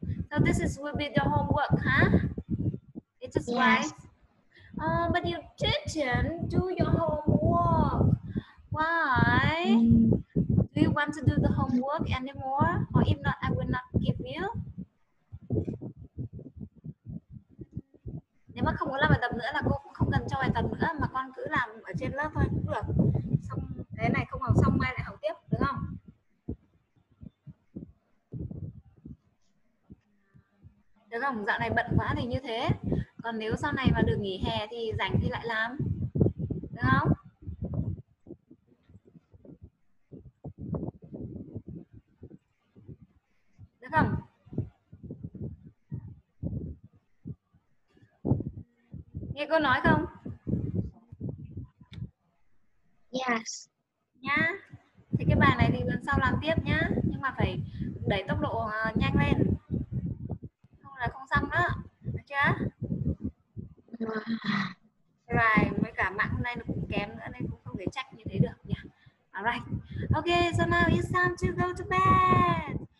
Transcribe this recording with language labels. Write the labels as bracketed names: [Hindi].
[English] So this is will be the homework, huh? It's just right. Yes. Oh, but you didn't do your homework. Why? Do you want to do the homework anymore? Or if not, I will not give you. [Vietnamese] Nếu mà không muốn làm bài tập nữa là cô cũng không cần cho bài tập nữa, mà con cứ làm ở trên lớp thôi cũng được. Xong cái này không học xong mai lại học tiếp, đúng không? Được không? Dạo này bận quá thì như thế. Còn nếu sau này mà được nghỉ hè thì rảnh thì lại làm. Được không? Được không? Nghe cô nói không? [English] Yes. [Vietnamese] Nhá. Thì cái bài này thì lần sau làm tiếp nhá. Nhưng mà phải đẩy tốc độ nhanh lên. Không là không xong đó. Được chưa? Right, với cả mạng hôm nay nó cũng kém nữa nên cũng không thể trách như thế được nhỉ. [English] Alright, okay, so now it's time to go to bed.